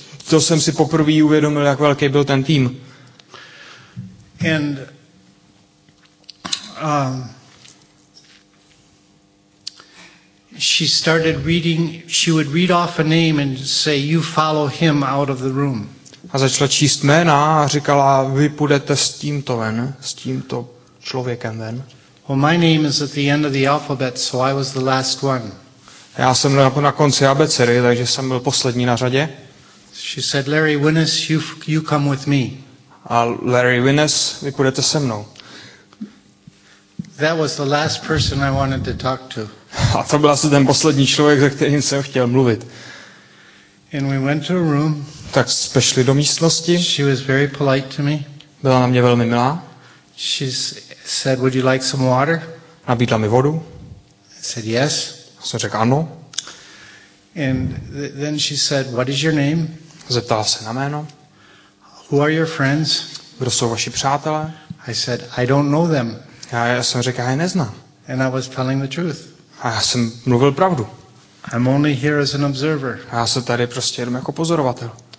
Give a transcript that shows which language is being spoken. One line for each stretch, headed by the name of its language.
Czech: To jsem si poprvé uvědomil, jak velký byl ten tým.
English: And she started reading, she would read off a name and say you follow him out of the room.
Czech: A začala číst jména a říkala vy půjdete s tímto ven, s tímto člověkem ven.
English: Well, my name is at the end of the alphabet, so I was the last one.
Czech: Já jsem na konci abecedy, takže jsem byl poslední na řadě.
English: She said, Larry Winnes, you come with me.
Czech: A Larry Winnes, vy půjdete se mnou.
English: That was the last person I wanted to talk to.
Czech: A to byl asi ten poslední člověk, se kterým jsem chtěl mluvit.
English: And we went to a room.
Czech: Tak jsme šli do místnosti.
English: She was very polite to me.
Czech: Byla na mě velmi milá.
English: She Said, would you like some water?
Czech: Nabídla mi vodu.
English: I said, yes.
Czech: Jsem řekl ano.
English: And then she said, what is your name?
Czech: Zeptala se na jméno.
English: Who are your friends?
Czech: Kdo jsou vaši přátelé?
English: I said, I don't know them.
Czech: Já jsem řekl, já je neznám.
English: And I was telling the truth.
Czech: A já jsem mluvil pravdu.
English: I'm only here as an observer.
Czech: Já jsem tady prostě jenom jako pozorovatel.